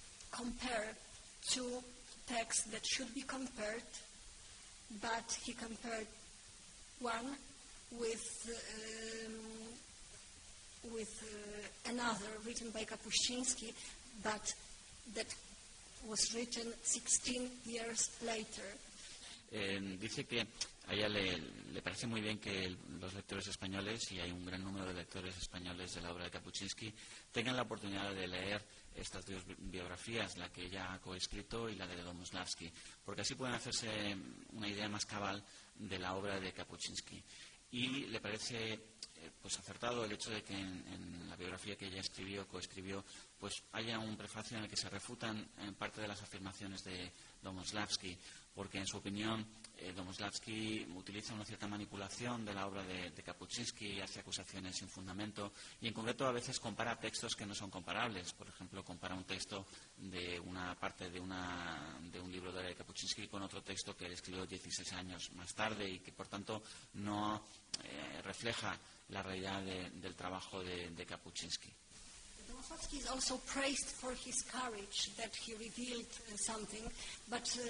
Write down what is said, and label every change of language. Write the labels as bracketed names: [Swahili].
[English] compare two texts that should be compared, but he compared one with another written by Kapuscinski, but that was written 16 years later. [Spanish] Dice que a ella le parece muy bien que los lectores españoles, y hay un gran número de lectores españoles de la obra de Kapuscinski, tengan la oportunidad de leer estas dos biografías, la que ella ha coescrito y la de Domoslavski, porque así pueden hacerse una idea más cabal de la obra de Kapuscinski. Y le parece pues acertado el hecho de que en la biografía que ella escribió, coescribió, pues haya un prefacio en el que se refutan en parte de las afirmaciones de Domoslavski, porque en su opinión Domoslavski utiliza una cierta manipulación de la obra de Kapuscinski y hace acusaciones sin fundamento, y en concreto a veces compara textos que no son comparables. Por ejemplo, compara un texto de una parte de un libro de Kapuscinski con otro texto que él escribió 16 años más tarde y que, por tanto, no refleja la realidad del trabajo de Kapuscinski. [English] Domoslavski is also praised for his courage that he revealed something, but